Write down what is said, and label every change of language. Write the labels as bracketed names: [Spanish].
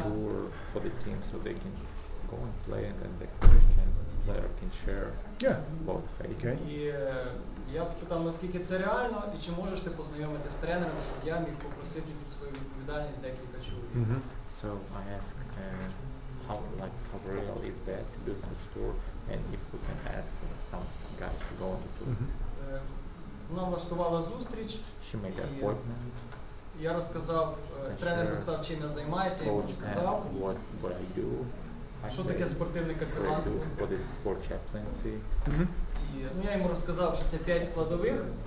[English] Tour for the team so they can go and play and then the Christian player can share both faith. Okay. [Ukrainian] Я спитав, наскільки це реально, і чи можеш ти познайомитися з тренером, щоб я міг попросити під свою відповідальність декілька чоловік. [English] So I ask how real is that to do such tour, and if we can ask some guys to go on the tour. [Ukrainian] Вона влаштувала зустріч. [English] She made an appointment. [Ukrainian] Я розказав, тренер запитав, чим я займаюся, я розказав. [English] What I do. [Ukrainian] Що таке спортивне капеланство? [English] What is sport chaplaincy? [Ukrainian] Ну, я йому розказав, що це 5 складових.